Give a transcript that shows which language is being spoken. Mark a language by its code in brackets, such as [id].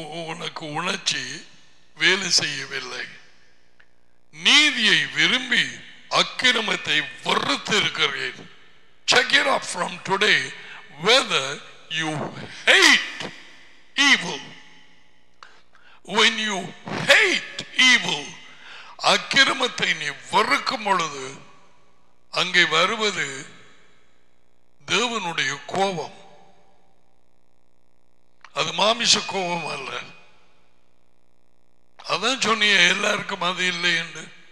[ta] உனக்கு உணர்ச்சி வேலை செய்யவில்லை. நீதியை விரும்பி அக்கிரமத்தை வெறுத்து இருக்கிறேன். [en] Check it off from today whether you hate evil. When you hate evil, [ta] அக்கிரமத்தை நீ வெறுக்கும் பொழுது அங்கே வருவது தேவனுடைய கோபம். அது மாமிச கோபம் அல்ல. அதான் சொன்னிய எல்லாருக்கும் அது இல்லை என்று.